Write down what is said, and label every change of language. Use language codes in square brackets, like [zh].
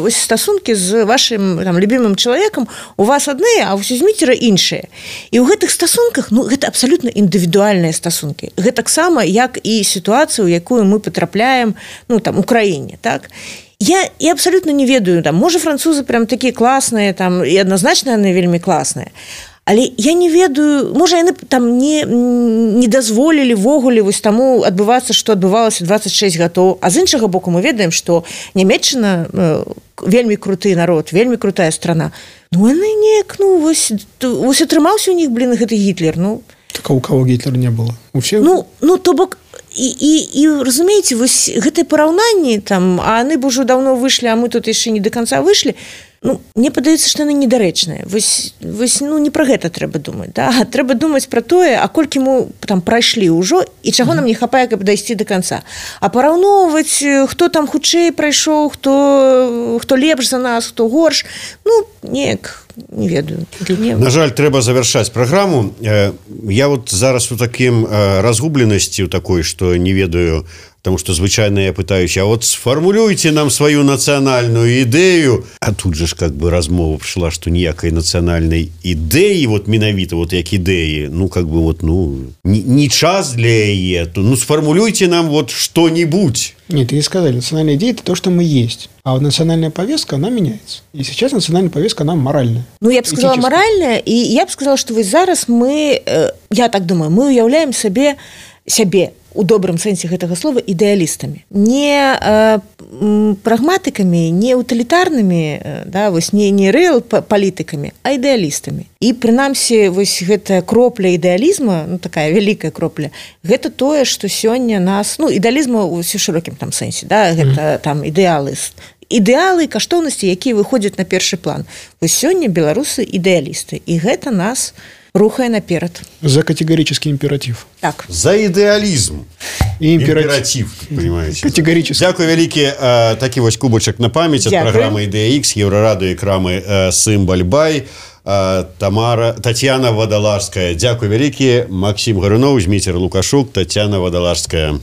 [ru] Стосунки с вашим там, любимым человеком. У вас одни, а у Сюзмитера иншие. И у этих стосунках, ну, это абсолютно индивидуальные стосунки. Это так само, как и ситуация, в которую мы потрапляем, ну, там, в Украине, так? Я абсолютно не ведаю, там, может, французы прям такие классные, там, и однозначно они вельми классные. [be] Але я не ведаю, можа, яны там не дазволілі ўвогуле вось таму адбывацца, што адбывалася 26 гадоў. А з іншага боку, мы ведаем, што Нямеччына вельмі круты народ, вельмі крутая страна. Ну, яны неяк, ну, вось атрымаўся у них, блін, гэты Гітлер. Ну. Так у каго Гітлер не было? [ru] У всех? [be] Ну, то бок, і разумеце, вось гэтае параўнанне, там, а яны б ўжо давно выйшлі, а мы тут яшчэ не да канца выйшлі. Ну, мне падаецца, што яны недарэчныя. Вось, ну, не пра гэта трэба думаць, да? А трэба думаць пра тое, а колькі мы там прайшлі ўжо і чаго нам не хапае, каб дайсці да канца. А параўноўваць, хто там хутчэй прайшоў, хто лепш за нас, хто горш, ну, неяк не ведаю. На жаль, трэба завяршаць праграму. Я вот зараз у такім разгубленасці, у такой, што не ведаю, [ru] потому что звычайно я пытаюсь, а вот сформулюйте нам свою национальную идею. А тут же ж как бы размова пришла, что ніякай национальной идеи, вот менавіта, вот як идеи, ну как бы вот, ну, не час для яе, ну сформулюйте нам вот что-нибудь. Нет, и сказали, национальная идея – это то, что мы есть. А вот национальная повестка, она меняется. И сейчас национальная повестка, она моральная. Ну, я бы сказала, моральная, и я бы сказала, что вот зараз мы, я так думаю, мы уявляем себе, [be] у добрым сэнсе гэтага слова, ідэалістамі. Не прагматыкамі, не уталітарнымі, да, вось, не рэал-палітыкамі, а ідэалістамі. І прынамсі вось гэта кропля ідэалізма, ну такая вялікая кропля, гэта тое, што сёння нас, ну ідэалізма ў шырокім там сэнсе, да, гэта там ідэалыст. Ідэалы і каштоўнасці, якія выходзяць на першы план. Вось сёння беларусы ідэалісты, і гэта нас рухае наперад. За катэгарычны імператыў. Так. За ідэалізм. І імператыў, разумееце. Катэгарычны. Дзякуй вялікі, такі вось кубачак на памяць ад праграмы IDX, Еўрарадыё і крамы Сымбальбай. Тамара, Татьяна Вадаларская. Дзякуй вялікі, Максім Гарыноў, Дмітрий Лукашук, Татьяна Вадаларская.